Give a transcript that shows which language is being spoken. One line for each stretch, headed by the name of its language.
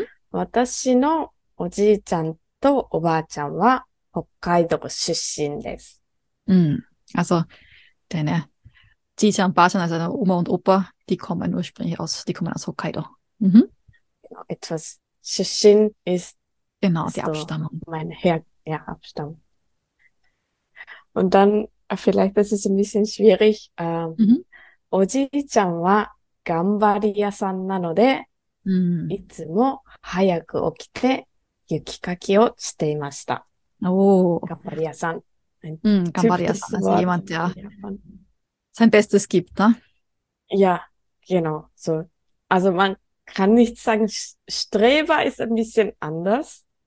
Japanese: 私のおじいちゃんとおばあちゃんは北海道出身です。
German: Also, deine Jiji und Bajan, also deine Oma und Opa, die kommen ursprünglich aus, die kommen aus Hokkaido. Genau, etwas 出身 ist, genau, die so, Abstammung. mein Abstamm. Und dann, vielleicht, das ist ein bisschen schwierig,
Japanese: おじいちゃんは頑張り屋さんなので、いつも早く起きて雪かきをしていました。頑張り屋さん。頑張り屋さん。
German: Also jemand, der sein Bestes gibt, ne? Ja, genau. So, Also man kann nicht sagen, Streber ist ein bisschen anders.